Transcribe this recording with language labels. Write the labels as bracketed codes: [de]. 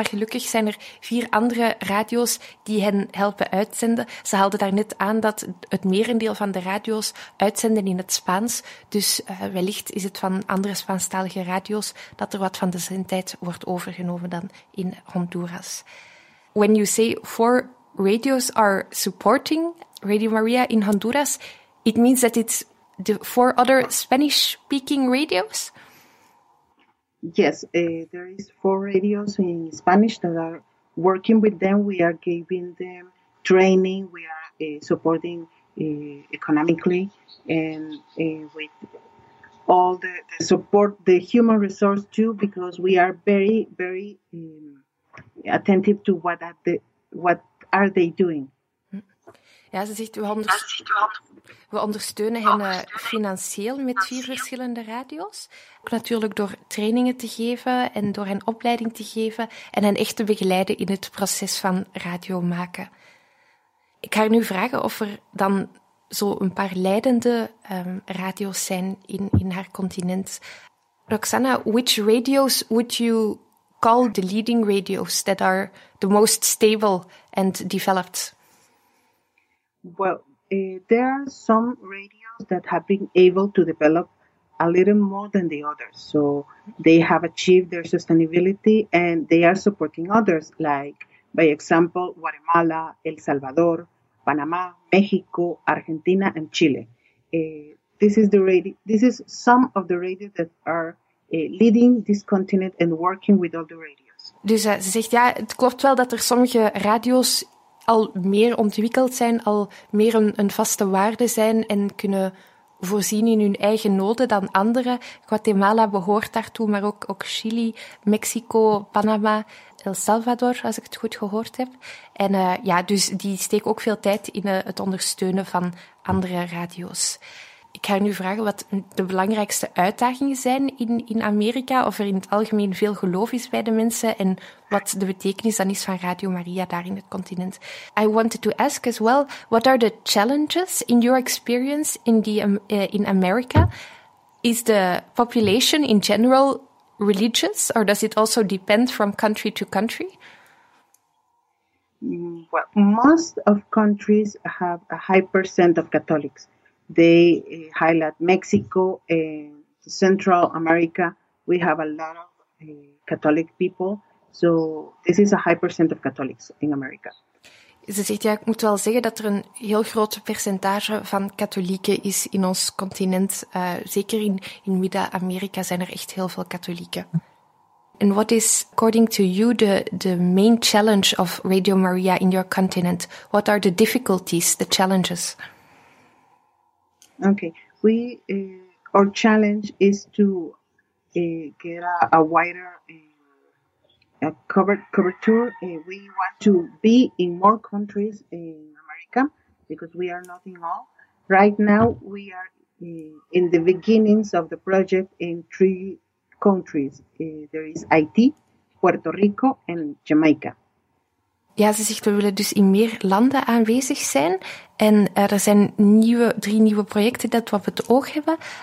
[nl] Maar gelukkig zijn er vier andere radio's die hen helpen uitzenden. Ze haalden daarnet aan dat het merendeel van de radio's uitzenden in het Spaans. Dus wellicht is het van andere Spaanstalige radio's dat er wat van de zendtijd wordt overgenomen dan in Honduras. [en] When you say four radios are supporting Radio María in Honduras, it means that it's the four other Spanish-speaking radios? Yes, there is four radios in Spanish that are working with them. We are giving them training. We are supporting economically and with all the support, the human resource too, because we are very, very attentive to what are they doing. [nl] Ja, ze zegt, we ondersteunen hen financieel met vier verschillende radio's. Ook natuurlijk door trainingen te geven en door hen opleiding te geven en hen echt te begeleiden in het proces van radio maken. Ik ga haar nu vragen of er dan zo een paar leidende radio's zijn in haar continent. [en] Roxana, which radio's would you call the leading radio's that are the most stable and developed? Well, there are some radios that have been able to develop a little more than the others. So they have achieved their sustainability and they are supporting others, like, by example, Guatemala, El Salvador, Panama, Mexico, Argentina, and Chile. This is some of the radios that are leading this continent and working with all the radios. [nl] Dus ze zegt, ja, het klopt wel dat er sommige radios al meer ontwikkeld zijn, al meer een vaste waarde zijn en kunnen voorzien in hun eigen noden dan anderen. Guatemala behoort daartoe, maar ook Chili, Mexico, Panama, El Salvador, als ik het goed gehoord heb. En dus die steken ook veel tijd in het ondersteunen van andere radio's. Ik ga nu vragen wat de belangrijkste uitdagingen zijn in Amerika, of er in het algemeen veel geloof is bij de mensen en wat de betekenis dan is van Radio María daar in het continent. [en] I wanted to ask as well, what are the challenges in your experience in America? Is the population in general religious, or does it also depend from country to country? Well, most of countries have a high percent of Catholics. They highlight Mexico and Central America. We have a lot of Catholic people. So this is a high percent of Catholics in America. [nl] Ze zegt, ja, ik moet wel zeggen dat er een heel groot percentage van katholieken is in ons continent. Zeker in Midden-Amerika zijn er echt heel veel katholieken. [en] And what is, according to you, the main challenge of Radio María in your continent? What are the difficulties, the challenges? Okay, our challenge is to get a wider coverture. We want to be in more countries in America because we are not in all. Right now, we are in the beginnings of the project in three countries. There is Haiti, Puerto Rico, and Jamaica. [nl] Ja, ze zegt, we willen dus in meer landen aanwezig zijn. En er zijn drie nieuwe projecten dat we op het oog hebben.